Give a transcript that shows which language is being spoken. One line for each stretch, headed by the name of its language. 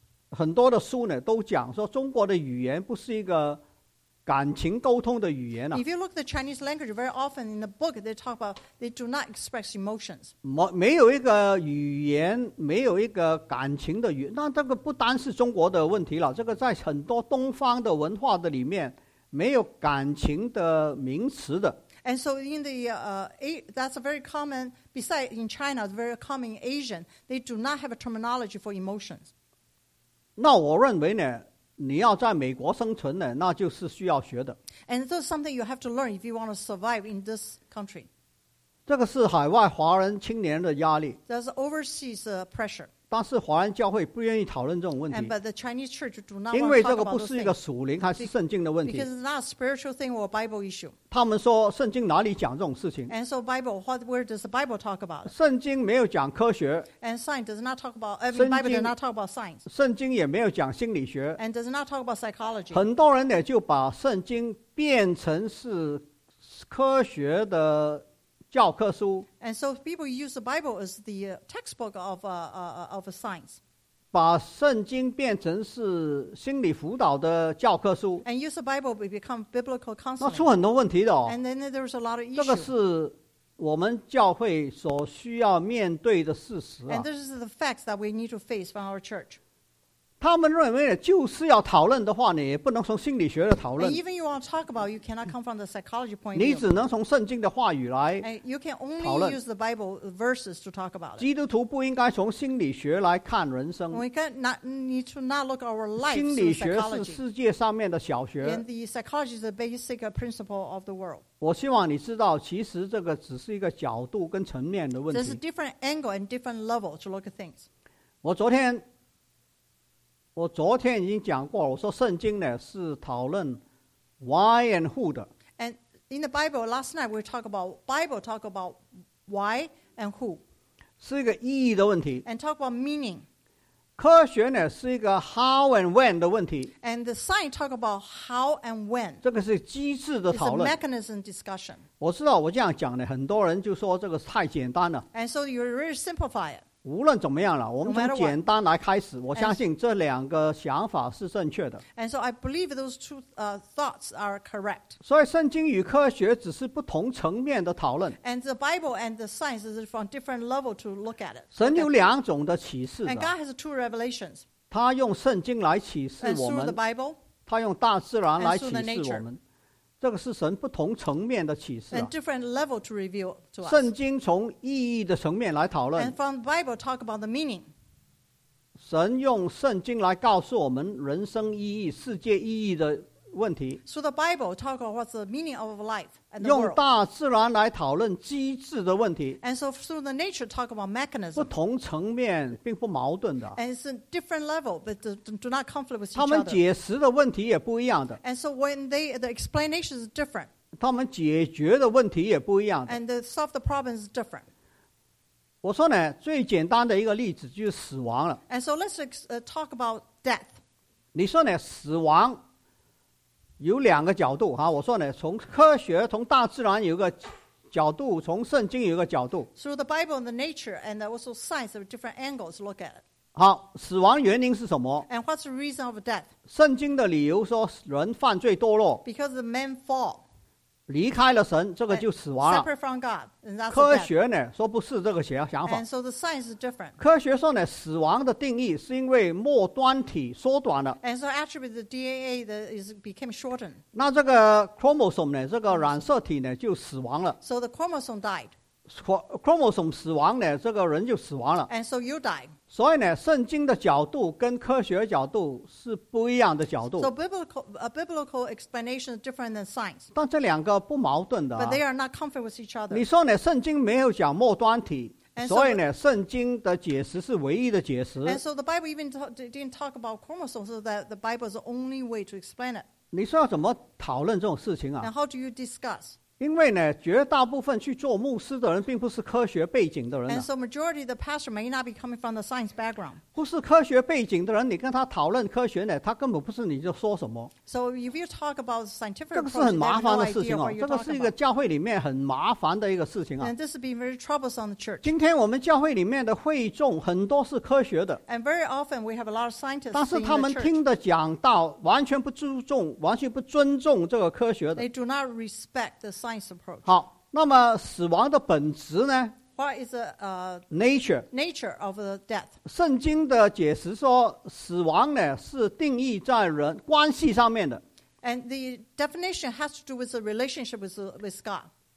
Chinese: 很多的书呢都讲说中国的语言不是一个感情沟通的语言啊。
English: If you look at the Chinese language, very often in the book, they talk about they do not express emotions.
Chinese: 没有一个语言，没有一个感情的语言，那这个不单是中国的问题了，这个在很多东方的文化的里面没有感情的名词的。
English: And so in the, that's a very common, besides in China, it's very common in Asian, they do not have a terminology for emotions.
Chinese: 那我认为呢，你要在美国生存呢，那就是需要学的。
English: And this is something you have to learn if you want to survive in this country.
Chinese: 这个是海外华人青年的压力。
English: That's overseas pressure.
Chinese: 但是华人教会不愿意讨论这种问题。
English: And but the Chinese church do not want to talk about this.
Chinese: 因为这个不是一个属灵还是圣经的问题。
English: Because it's not a spiritual thing or a Bible issue.
Chinese: 他们说圣经哪里讲这种事情。
English: And so Bible, where does the Bible talk about?
Chinese: 圣经没有讲科学。
English: And science does not talk about, Bible does not talk about science.
Chinese: 圣经也没有讲心理学。
English: And does not talk about psychology.
Chinese: 很多人呢就把圣经变成是科学的教科书。
English: And so people use the Bible as the textbook of science.
Chinese: 把圣经变成是心理辅导的教科书。
English: And use the Bible to become biblical counseling.
Chinese: 那出很多问题的哦。
English: And then there's a lot of issues.
Chinese: 这个是我们教会所需要面对的事实啊。
English: And this is the facts that we need to face from our church.
Chinese: 他们认为就是要讨论的话呢，也不能从心理学的讨论。
English: And even you want to talk about, you cannot come from the psychology point.
Chinese: 你只能从圣经的话语来讨论。
English: You can only use the Bible verses to talk about it.
Chinese: 基督徒不应该从心理学来看人生。
English: We cannot need to not look our life.
Chinese: 心理学是世界上面的小学。
English: And the psychology is the basic principle of the world.
Chinese: 我希望你知道，其实这个只是一个角度跟层面的问题。
English: There's a different angle and different level to look at things.
Chinese: 我昨天已经讲过了，我说圣经呢是讨论
English: why and who
Chinese: 的。
English: And in the Bible last night we talk about Bible talk about why and who.
Chinese: 是一个意义的问题。
English: And talk about meaning.
Chinese: 科学呢是一个
English: how and when
Chinese: 的问题。
English: And the science talk about how and when.
Chinese: 这个是机制的讨论。
English: It's a mechanism discussion.
Chinese: 我知道我这样讲呢，很多人就说这个太简单了。
English: And so you really simplify it.
Chinese: 无论怎么样了，我们从简单来开始。我相信这两个想法是正确的。
English: And so I believe those two thoughts are correct.
Chinese: 所以圣经与科学只是不同层面的讨论。
English: And the Bible and the science is from different level to look at it.
Chinese: 神有两种的启示的。
English: And God has two revelations.
Chinese: 他用圣经来启示我们。
English: And through the Bible.
Chinese: 他用大自然来启示我们。这个是神不同层面的启示啊。
English: And different level to reveal to us.
Chinese: 圣经从意义的层面来讨论。
English: And from the Bible talk about the meaning.
Chinese: 神用圣经来告诉我们人生意义、世界意义的问题。
English: So the Bible talk about what's the meaning of life and the world.
Chinese: 用大自然来讨论机制的问题。
English: And so through the nature talk about mechanism.
Chinese: 不同层面并不矛盾的。
English: And it's a different level, but do not conflict with each other.
Chinese: 他们解释的问题也不一样的。
English: And so when the explanation is different.
Chinese: 他们解决的问题也不一样的。
English: And the solve the problem is different.
Chinese: 我说呢，最简单的一个例子就是死亡了。
English: And so let's talk about death.
Chinese: 你说呢，死亡。有两个角度哈，我说呢，从科学，从大自然有个角度，从圣经有个角度。
English: Through the Bible and the nature and also science of different angles look at it.
Chinese: 好，死亡原因是什么
English: ？And what's the reason of death?
Chinese: 圣经的理由说人犯罪堕落。
English: Because the man fall.
Chinese: 离开了神，这个就死亡了。
English: Separate from God,
Chinese: 科学呢说不是这个想法。
English: And so the science is different.
Chinese: 科学说呢，死亡的定义是因为末端体缩短了。
English: And so actually the DNA is became shortened.
Chinese: 那这个 chromosome 呢，这个染色体呢就死亡了。
English: So the chromosome died.
Chinese: Chromosome 死亡呢，这个人就死亡了。
English: And so you died.
Chinese: 所以呢，圣经的角度跟科学角度是不一样的角度。
English: So biblical explanation is different than science.
Chinese: 但这两个不矛盾的、啊。
English: But they are not conflict with each other.
Chinese: 你说呢？圣经没有讲末端体，
English: so,
Chinese: 所以呢，圣经的解释是唯一的解释。
English: And so the Bible even didn't talk about chromosomes, so that the Bible is the only way to explain it.
Chinese: 你说要怎么讨论这种事情啊
English: ？And how do you discuss?
Chinese: 因为呢，绝大部分去做牧师的人并不是科学背景的人。
English: And so majority of the pastor may not be coming from the science background.
Chinese: 不是科学背景的人，你跟他讨论科学呢，他根本不是你就说什么。
English: So if you talk about scientific,
Chinese: 这个是很麻烦的事情哦。这个是一个教会里面很麻烦的一个事情啊。
English: And this has been very troublesome on the church.
Chinese: 今天我们教会里面的会众很多是科学的。
English: And very often we have a lot of scientists.
Chinese: 但是他们听的讲道完全不注重，完全不尊重这个科学的。
English: They do not respect the science.
Chinese: 好，那么死亡的本质呢
English: ？What is the nature of the death？
Chinese: 圣经的解释说，死亡呢是定义在人关系上面的。
English: And the definition has to do with the relationship with God.